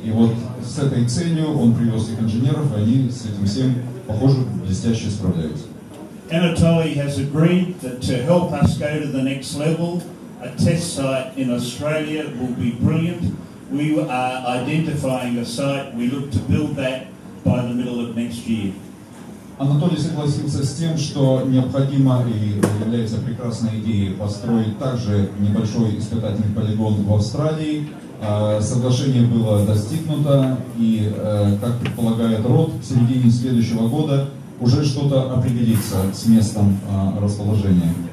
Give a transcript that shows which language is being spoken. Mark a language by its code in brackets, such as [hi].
[ru] И вот с этой целью он привез их инженеров, и они с этим всем, похоже, блестяще справляются. [en] Anatoly has agreed that to help us go to the next level, a test site in Australia will be brilliant. We are identifying a site. We look to build that by the middle of next year. [ru] Анатолий согласился с тем, что необходимо и является прекрасной идеей построить также небольшой испытательный полигон в Австралии. Соглашение было достигнуто, и, как предполагает РОД, в середине следующего года уже что-то определится с местом расположения.